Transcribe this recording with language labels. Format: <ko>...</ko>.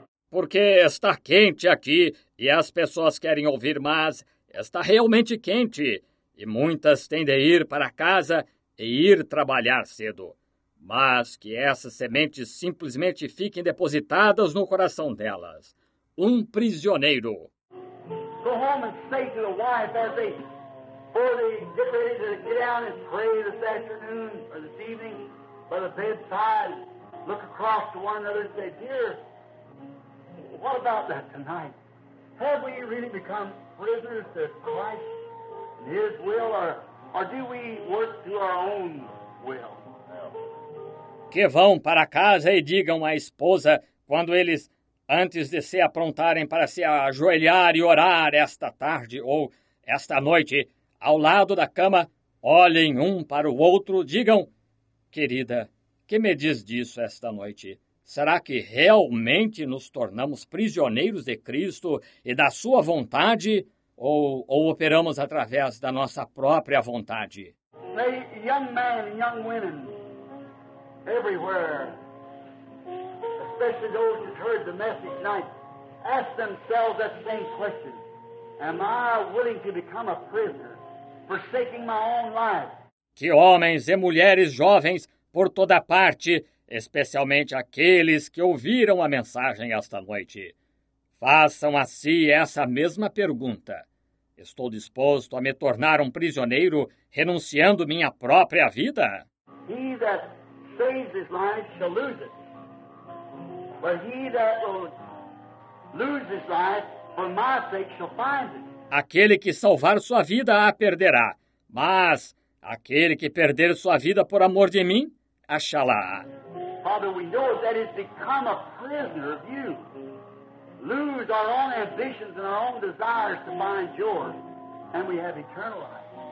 <pt>Porque está quente aqui e as pessoas querem ouvir, mas está realmente quente e muitas têm de ir para casa e ir trabalhar cedo. Mas que essas sementes simplesmente fiquem depositadas no coração delas. Um prisioneiro.</pt> <en>Go home and say to the wife as they, before they get ready to get down and pray this afternoon or this evening by the bedside, look across to one another and say, dear, what about that tonight? Have we really become prisoners to Christ and His will, or do we work to our own will?</en> <pt>Que vão para casa e digam à esposa, quando eles, antes de se aprontarem para se ajoelhar e orar esta tarde ou esta noite, ao lado da cama, olhem um para o outro, digam, querida, que me diz disso esta noite? Será que realmente nos tornamos prisioneiros de Cristo e da sua vontade, ou operamos através da nossa própria vontade?</pt> <en>Hey, young man and young women. Everywhere, especially those who heard the message tonight, ask themselves that same question. Am I willing to become a prisoner, forsaking my own life?</en> <pt>Que homens e mulheres jovens por toda parte, especialmente aqueles que ouviram a mensagem esta noite, façam a si essa mesma pergunta. Estou disposto a me tornar um prisioneiro, renunciando minha própria vida?</pt> <en>He that saves his life shall lose it. But he that will lose his life for my sake shall find it.</en> <pt>Aquele que salvar sua vida a perderá, mas aquele que perder sua vida por amor de mim, achá-la.</pt> <en>Father, we know that it's become a prisoner of you. Lose our own ambitions and our own desires to find yours, and we have eternal life.</en>